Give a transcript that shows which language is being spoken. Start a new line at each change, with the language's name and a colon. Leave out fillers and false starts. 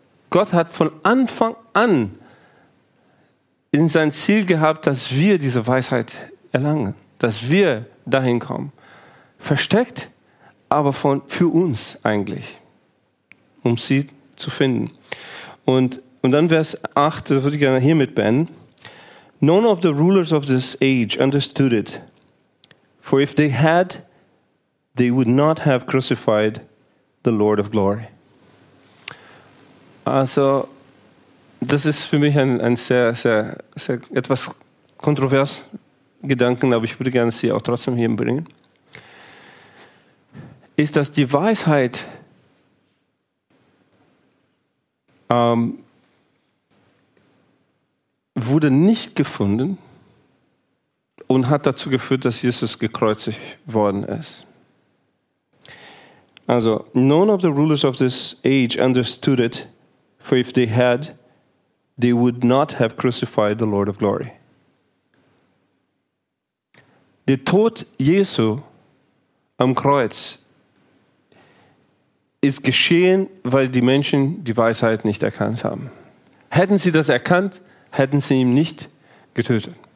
German: Gott hat von Anfang an in sein Ziel gehabt, dass wir diese Weisheit erlangen, dass wir dahin kommen. Versteckt, aber für uns eigentlich, um sie zu finden. Und dann Vers 8, das würde ich gerne hiermit beenden.
English: None of the rulers of this age understood it. For if they had, they would not have crucified the Lord of glory.
German: Also, das ist für mich ein sehr, sehr, sehr etwas kontrovers Gedanken, aber ich würde gerne sie auch trotzdem hier bringen. Ist, dass die Weisheit wurde nicht gefunden und hat dazu geführt, dass Jesus gekreuzigt worden ist.
English: Also, none of the rulers of this age understood it, for if they had, they would not have crucified the Lord of glory.
German: Der Tod Jesu am Kreuz ist geschehen, weil die Menschen die Weisheit nicht erkannt haben. Hätten sie das erkannt, hätten sie ihn nicht getötet.